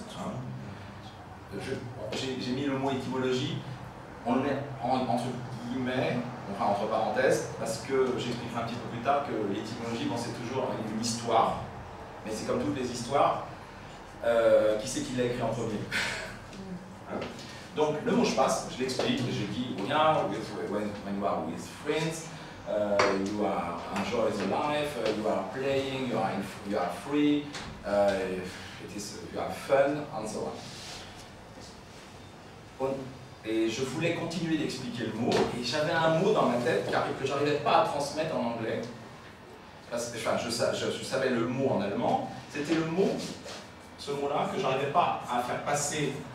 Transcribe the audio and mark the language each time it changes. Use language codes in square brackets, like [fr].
[fr] Hein. J'ai mis le mot étymologie, on le met entre guillemets, enfin entre parenthèses, parce que j'expliquerai un petit peu plus tard que l'étymologie, bon, c'est toujours une histoire, mais c'est comme toutes les histoires. Qui c'est qui l'a écrit en premier? Hein? Donc, le mot Spaß, je l'explique, j'ai dit, [en] when you are with friends, you are enjoy the life, you are playing, you are free, you have fun, and so on. [fr] Et je voulais continuer d'expliquer le mot, et j'avais un mot dans ma tête que je n'arrivais pas à transmettre en anglais, parce que je savais le mot en allemand, c'était le mot, ce mot-là, que je n'arrivais pas à faire passer.